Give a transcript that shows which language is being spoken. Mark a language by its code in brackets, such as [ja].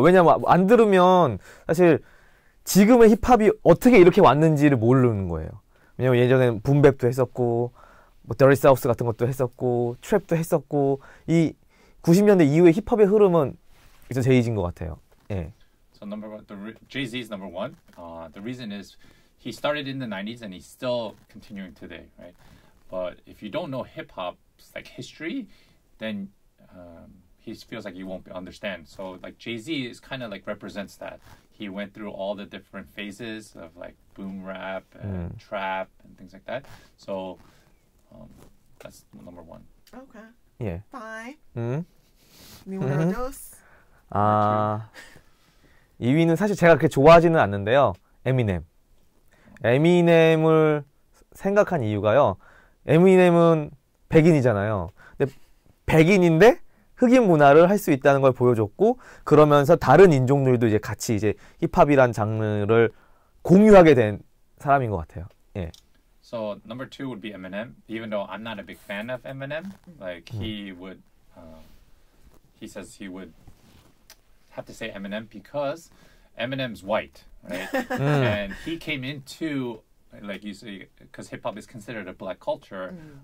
[ko] 왜냐면 안 들으면 사실 지금의 힙합이 어떻게 이렇게 왔는지를 모르는 거예요. 왜냐면 예전에 붐뱁도 했었고 뭐 더리 사우스 같은 것도 했었고 트랩도 했었고 이 90년대 이후의 힙합의 흐름은 이제 제이지인 것 같아요. 예. [en] So number one, Jay-Z is number one. The reason is he started in the 90s and he's still continuing today, right? But if you don't know hip hop's like history, then he feels like he won't understand. So like Jay-Z is kind of like represents that. He went through all the different phases of like boom rap and trap and things like that. So that's number one. Okay. Yeah. Fine. Mm-hmm. [es] Numero dos. [ko] 아 2위는 사실 제가 그렇게 좋아하지는 않는데요. Eminem. Eminem을 생각한 이유가요. Eminem은 백인이잖아요. 근데 백인인데 흑인 문화를 할 수 있다는 걸 보여줬고 그러면서 다른 인종들도 이제 같이 이제 힙합이란 장르를 공유하게 된 사람인 것 같아요. 예. [en] So number two would be Eminem. Even though I'm not a big fan of Eminem, like he would, he says he would have to say Eminem because Eminem's white, right? And he came into like you see, because hip hop is considered a black culture.